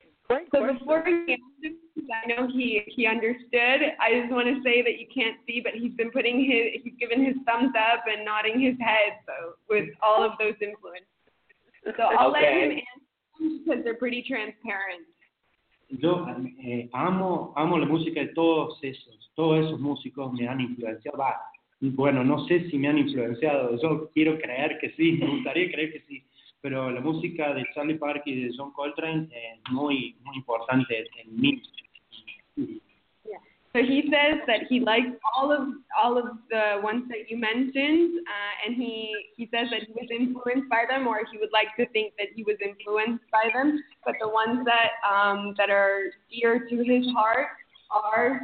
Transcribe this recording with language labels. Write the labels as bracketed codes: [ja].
[en] So before he answers, I know he understood. I just want to say that you can't see, but he's given his thumbs up and nodding his head. So with all of those influences, so I'll let him answer because they're pretty transparent. [es] Yo amo la música de todos esos músicos me han influenciado. Bueno, no sé si me han influenciado. Yo quiero creer que sí. Me gustaría creer que sí. Pero la música de Charlie Parker y de John Coltrane es muy, muy importante en mí. [en] Yeah. So he says that he likes all of the ones that you mentioned, and he says that he was influenced by them, or he would like to think that he was influenced by them. But the ones that that are dear to his heart are